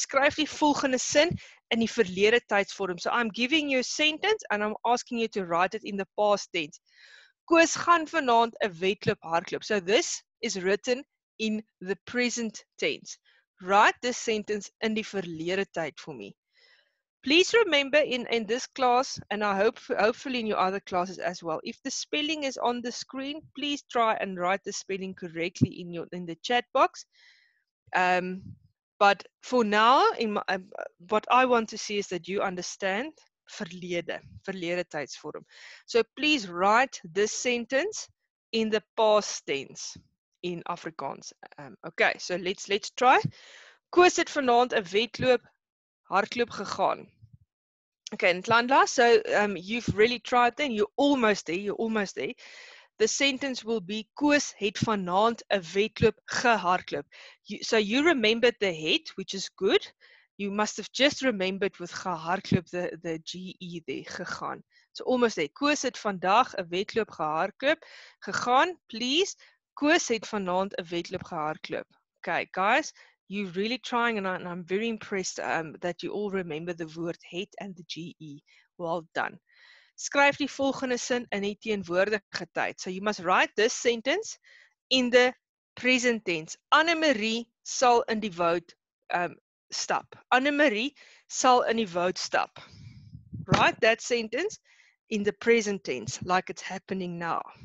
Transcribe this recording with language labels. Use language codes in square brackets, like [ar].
[af] Skryf die volgende sin in die verlede Tydsvorm. [en] So I'm giving you a sentence and I'm asking you to write it in the past tense. [af] Koos gaan vanaand 'n wedloop hardloop. [en] So this is written in the present tense. Write this sentence in [af] die verlede tyd [en] for me. Please remember in this class, and I hopefully in your other classes as well, if the spelling is on the screen, please try and write the spelling correctly in the chat box. But for now, what I want to see is that you understand verlede tydsvorm. So please write this sentence in the past tense in Afrikaans. Okay, so let's try. [af] Koos het vanaand 'n wedloop hardloop gegaan. [en] Okay, Ntlandla, so you've really tried then. You're almost there. The sentence will be, [af] Koos het vanaand 'n wedloop gehardloop. [en] So you remembered the het, which is good. You must have just remembered with gehardloop the GE there, gegaan. So almost there. [af] Koos het vandag 'n wedloop gehardloop gegaan. Please, Koos het vanaand 'n wedloop gehardloop. [en] Okay, guys. You're really trying, and I'm very impressed that you all remember the word het and the GE. Well done. [af] Skryf die volgende sin in die teenwoordige tyd. [en] So you must write this sentence in the present tense. [af] Annemarie sal in die woud stap. Annemarie sal in die woud stap. [en] Write that sentence in the present tense, like it's happening now.